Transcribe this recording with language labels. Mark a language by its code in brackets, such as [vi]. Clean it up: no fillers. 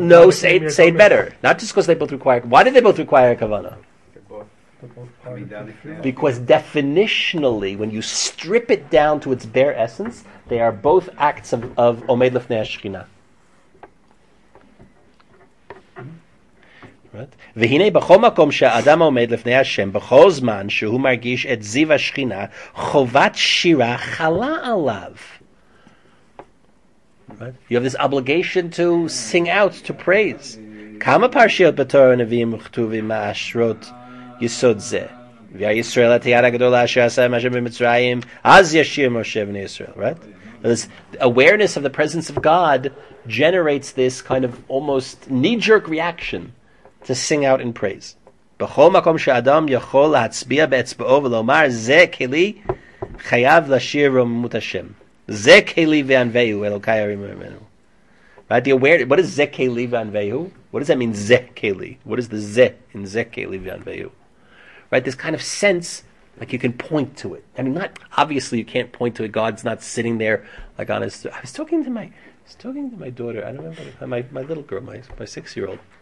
[en] Say it better. Not just because they both require... Why do they both require a Kavana? Because definitionally, when you strip it down to its bare essence, they are both acts of Omed Lefnei HaShechina. [he] והנה בכל מקום שהאדם עומד לפני השם, בכל זמן שהוא מרגיש את זיו השכינה, חובת שירה חלה עליו. [en] You have this obligation to sing out, to praise. [he] כמה פרשיות בתורה הנביאים וכתובים מאשרות יסוד זה? וישראל את היד הגדולה אשר עשה עם השם במצרים, אז ישיר משה בני ישראל, [en] right? This awareness of the presence of God generates this kind of almost knee-jerk reaction to sing out in praise. [he] בכל מקום שאדם יכול להצביע באצבעו ולומר, זה כלי חייב לשיר רוממות השם. זה כלי וענווהו, אלוקי ירים ממנו. [en] Right? The awareness, what is [he] זה כלי וענווהו? [en] What does that mean, [he] זה כלי? [en] What is the [he] זה [en] in [he] זה כלי וענווהו? [en] Right, this kind of sense, like you can point to it. I mean, not obviously you can't point to it. God's not sitting there, like on his. I was talking to my daughter. I don't remember my little girl, my 6 year old.